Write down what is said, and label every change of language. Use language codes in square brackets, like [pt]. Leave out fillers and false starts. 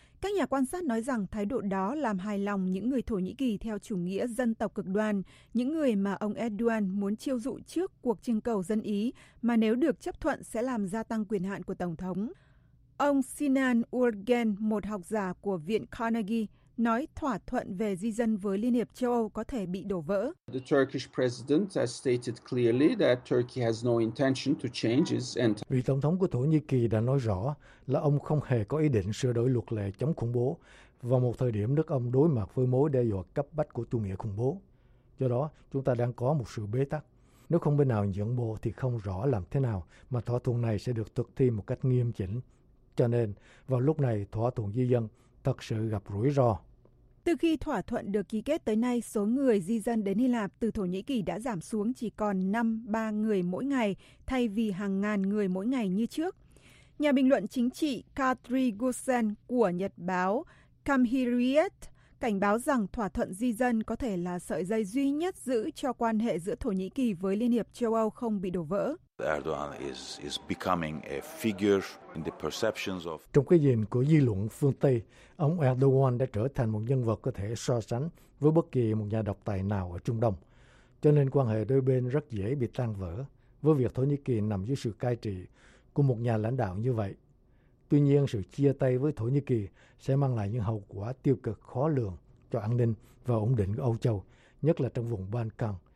[vi] Các nhà quan sát nói rằng thái độ đó làm hài lòng những người Thổ Nhĩ Kỳ theo chủ nghĩa dân tộc cực đoan, những người mà ông Erdogan muốn chiêu dụ trước cuộc trưng cầu dân Ý mà nếu được chấp thuận sẽ làm gia tăng quyền hạn của Tổng thống. Ông Sinan Ulgen, một học giả của Viện Carnegie, nói thỏa thuận về di dân với Liên hiệp châu Âu có thể bị đổ vỡ. [en] The Turkish president has stated clearly that Turkey has no intention to change its entire... [vi] Vị tổng thống của Thổ Nhĩ Kỳ đã nói rõ là ông không hề có ý định sửa đổi luật lệ chống khủng bố vào một thời điểm nước ông đối mặt với mối đe dọa cấp bách của chủ nghĩa khủng bố. Do đó, chúng ta đang có một sự bế tắc. Nếu không bên nào nhượng bộ thì không rõ làm thế nào mà thỏa thuận này sẽ được thực thi một cách nghiêm chỉnh. Cho nên, vào lúc này, thỏa thuận di dân thật sự gặp rủi ro. Từ khi thỏa thuận được ký kết tới nay, số người di dân đến Hy Lạp từ Thổ Nhĩ Kỳ đã giảm xuống chỉ còn 5-3 người mỗi ngày, thay vì hàng ngàn người mỗi ngày như trước. Nhà bình luận chính trị Katri Gusen của nhật báo Cumhuriyet cảnh báo rằng thỏa thuận di dân có thể là sợi dây duy nhất giữ cho quan hệ giữa Thổ Nhĩ Kỳ với Liên hiệp châu Âu không bị đổ vỡ. [en] Erdogan is becoming a figure in the perceptions of... [vi] Trong cái nhìn của dư luận phương Tây, ông Erdogan đã trở thành một nhân vật có thể so sánh với bất kỳ một nhà độc tài nào ở Trung Đông. Cho nên quan hệ đôi bên rất dễ bị tan vỡ với việc Thổ Nhĩ Kỳ nằm dưới sự cai trị của một nhà lãnh đạo như vậy. Tuy nhiên, sự chia tay với Thổ Nhĩ Kỳ sẽ mang lại những hậu quả tiêu cực khó lường cho an ninh và ổn định của Âu Châu, nhất là trong vùng Balkan.